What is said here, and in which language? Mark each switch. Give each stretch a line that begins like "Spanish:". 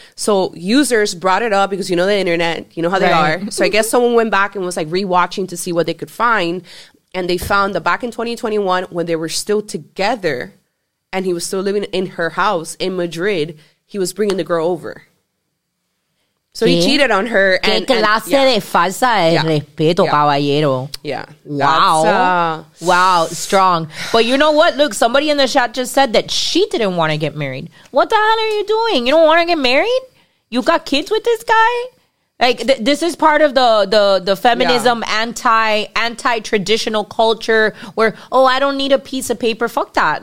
English: So users brought it up because you know the internet, you know how they are. So I guess someone went back and was like rewatching to see what they could find. And they found that back in 2021, when they were still together and he was still living in her house in Madrid, he was bringing the girl over. So he cheated on her. And,
Spanish: ¿qué clase de falsa de respeto, caballero?
English: Wow. Strong. But you know what? Look, somebody in the chat just said that she didn't want to get married. What the hell are you doing? You don't want to get married? You got kids with this guy? Like, this is part of the feminism, anti-traditional culture where, oh, I don't need a piece of paper. Fuck that.